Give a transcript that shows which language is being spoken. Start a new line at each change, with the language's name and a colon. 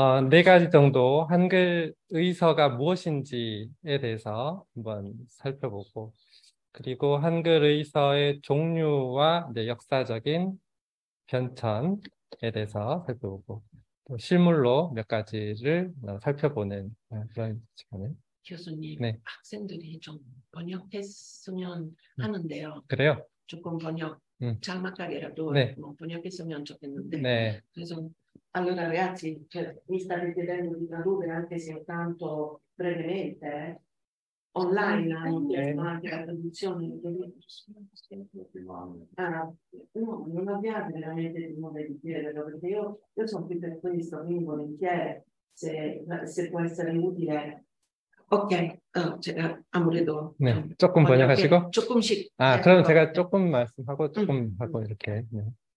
Korean: 네 가지 정도 한글 의서가 무엇인지에 대해서 한번 살펴보고 그리고 한글 의서의 종류와 이제 역사적인 변천에 대해서 살펴보고 또 실물로 몇 가지를 살펴보는 그런 시간을 교수님 네. 학생들이 좀 번역했으면 하는데요. 그래요? 조금 번역 장막하게라도 네. 뭐 번역했으면 좋겠는데 네. 그래서
Italian: allora ragazzi, cioè, mi state chiedendo di tradurre anche se tanto brevemente online ma anche la traduzione no, non abbiamo veramente il modo di chiederlo perché io sono qui per questo, quindi volentieri se può essere utile. Ok, amore, do.
Korean: 네, 조금 번역하시고. 조금씩. 아, 그럼 제가 조금 말씀하고 조금 하고 이렇게. 네.